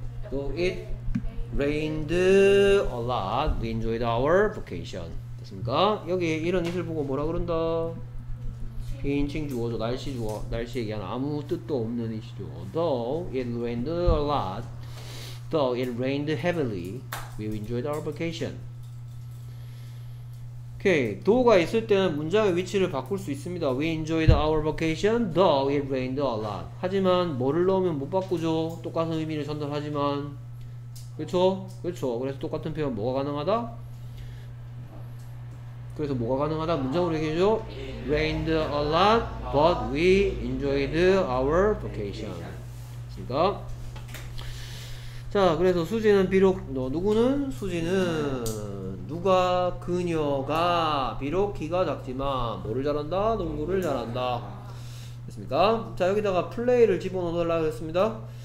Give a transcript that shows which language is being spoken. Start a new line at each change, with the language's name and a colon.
English: Though it rained a lot, we enjoyed our vacation.
Korean: 됐습니까? 여기에 이런 이슬 보고 뭐라 그런다? 비인칭 주어죠. 날씨 주어. 날씨 얘기하는 아무 뜻도 없는 이시죠.
English: Though it rained a lot. Though it rained heavily, we enjoyed our vacation.
Korean: Okay, though가 있을 때는 문장의 위치를 바꿀 수 있습니다.
English: We enjoyed our vacation, though it rained a lot.
Korean: 하지만 뭐를 넣으면 못 바꾸죠. 똑같은 의미를 전달하지만. 그렇죠? 그래서 똑같은 표현 뭐가 가능하다? 그래서 뭐가 가능하다? 문장으로 얘기해줘.
English: Rained a lot, but we enjoyed our vacation.
Korean: 그러니까 자, 그래서 수지는 비록 너 누구는? 수지는 누가? 그녀가 비록 키가 작지만 뭐를 잘한다? 농구를 잘한다. 됐습니까? 자, 여기다가 플레이를 집어넣으려고 했습니다.